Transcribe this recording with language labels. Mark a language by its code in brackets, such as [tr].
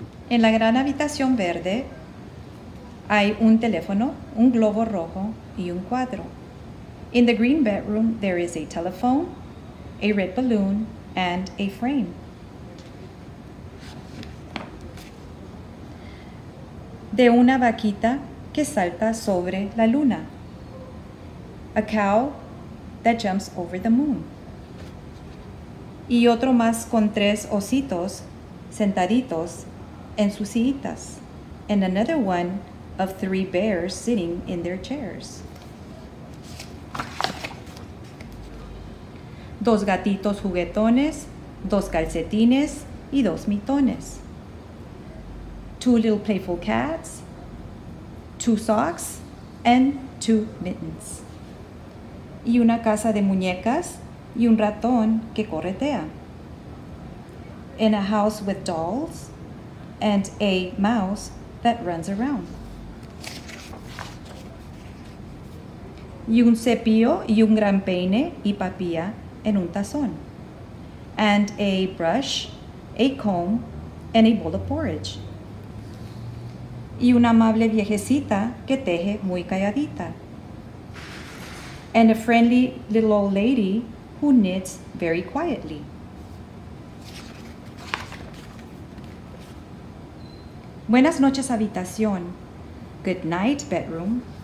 [es] En la gran habitación verde hay un teléfono, un globo rojo y un cuadro. [en] In the green bedroom there is a telephone, a red balloon, and a frame. [es] De una vaquita que salta sobre la luna. [en] A cow that jumps over the moon. [es] Y otro más con tres ositos sentaditos en sus sillitas, [en] and another one of three bears sitting in their chairs. [es] Dos gatitos juguetones, dos calcetines y dos mitones. [en] Two little playful cats, two socks, and two mittens. [es] Y una casa de muñecas y un ratón que corretea. [en] In a house with dolls, and a mouse that runs around. [es] Y un cepillo y un gran peine y papilla en un tazón. [en] And a brush, a comb, and a bowl of porridge. [es] Y una amable viejecita que teje muy calladita. [en] And a friendly little old lady who knits very quietly. [es] Buenas noches, habitación. [en] Good night, bedroom.